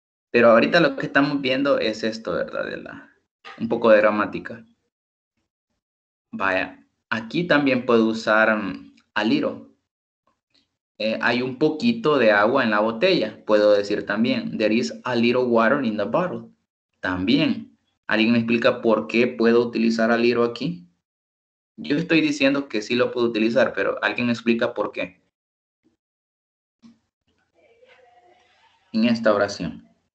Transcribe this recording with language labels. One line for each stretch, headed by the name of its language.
Spanish: Pero ahorita lo que estamos viendo es esto, ¿verdad? Un poco de gramática. Vaya, aquí también puedo usar a little. Hay un poquito de agua en la botella, puedo decir también.
English: There is a little water in the bottle.
Spanish: También. ¿Alguien me explica por qué puedo utilizar a little aquí? Yo estoy diciendo que sí lo puedo utilizar, pero ¿alguien me explica por qué? En esta oración.